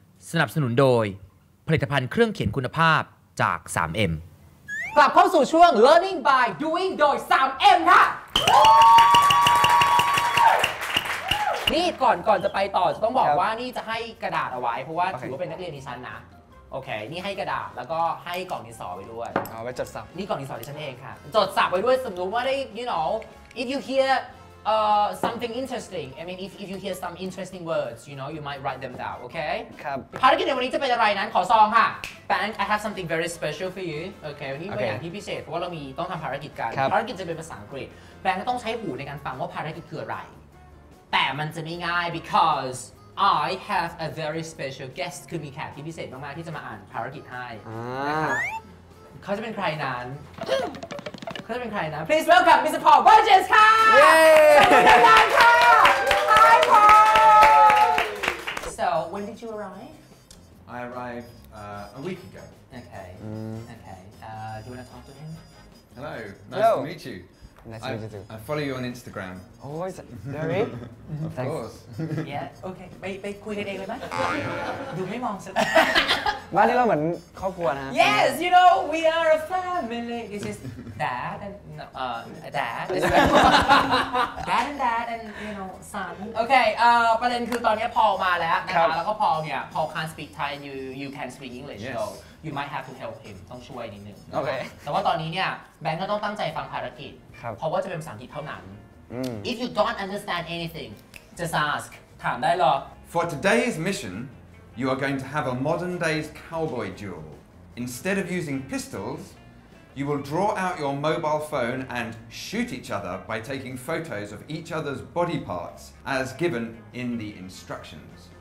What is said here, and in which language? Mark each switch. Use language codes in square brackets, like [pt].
[th] สนับสนุนโดยผลิตภัณฑ์เครื่องเขียนคุณภาพจาก 3M กลับเข้าสู่ช่วง Learning by Doing โดย 3M ค่ะนี่ก่อนจะไปต่อจะต้องบอกว่านี่จะให้กระดาษเอาไว้เพราะว่าถือว่าเป็นนักเรียนดิฉันนะโอเคนี่ให้กระดาษแล้วก็ให้กล่องดินสอไปด้วย เอาไว้จดสับ นี่กล่องดินสอดิฉันเองค่ะจดสับไว้ด้วยสมมุติว่าได้ [en] you know if you hearsomething interesting. I mean, if you hear some interesting words, you know, you might write them down, okay? [th] ครับภารกิจในวันนี้จะเป็นอะไรนั้นขอซองค่ะ [en] Bank, I have something very special for you. [th] Okay, วันนี้เป็นอย่างที่พิเศษเพราะว่าเรามีต้องทำภารกิจกันภารกิจจะเป็นภาษาอังกฤษ Bank ต้องใช้หูในการฟังว่าภารกิจคืออะไรแต่มันจะไม่ง่าย [en] becauseI have a very special guest [th] คือมีแขกที่พิเศษมากๆที่จะมาอ่านภารกิจให้นะครับเขาจะเป็นใครนั้นเขาจะเป็นใครนะ [en] Please welcome Mr. [th] Paul Burgess ค่ะ เย้ขอบ คุณค่ะ [en] Hi Paul So when did you arrive? I arrived a week ago. Okay. Okay. Do you want to talk to him? Hello. Nice to meet you. Nice to meet you too. I follow you on Instagram. Oh, is it? Very? Of course. Yeah. Okay. [th] ไปคุยกันเองเลยไหมดูไม่มองสัก บ้านนี้เราเหมือนครอบครัวนะ [en] Yes, you know, we are a family. It's just dad and dad and you know son. [th] Okay, ประเด็นคือตอนนี้พอลมาแล้วนะคะแล้วก็พอลเนี่ย [en] Paul can't speak Thai and you can speak English yes. so you might have to help him. [th] ต้องช่วยนิดนึง โอเค แต่ว่าตอนนี้เนี่ยแบงก์ก็ต้องตั้งใจฟังภารกิจเพราะว่าจะเป็นภาษาอังกฤษเท่านั้น [en] If you don't understand anything, just ask. [th] ถามได้หรอ [en] For today's mission. You are going to have a modern day's cowboy duel. Instead of using pistols, you will draw out your mobile phone and shoot each other by taking photos of each other's body parts as given in the instructions.